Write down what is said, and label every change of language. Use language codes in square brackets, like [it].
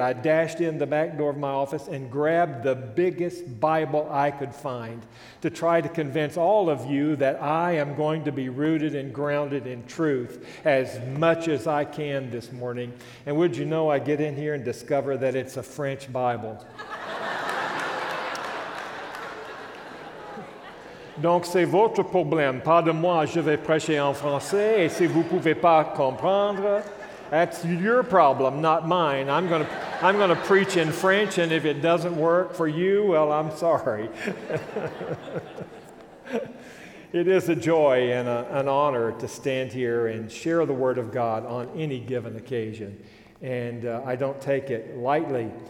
[en] I dashed in the back door of my office and grabbed the biggest Bible I could find to try to convince all of you that I am going to be rooted and grounded in truth as much as I can this morning. And would you know, I get in here and discover that it's a French Bible. [fr] Donc c'est votre problème, pas de moi, je vais prêcher en français, et si vous pouvez pas comprendre, [en] that's your problem, not mine. I'm gonna preach in French, and if it doesn't work for you, well, I'm sorry. It is a joy and an honor to stand here and share the Word of God on any given occasion, and I don't take it lightly.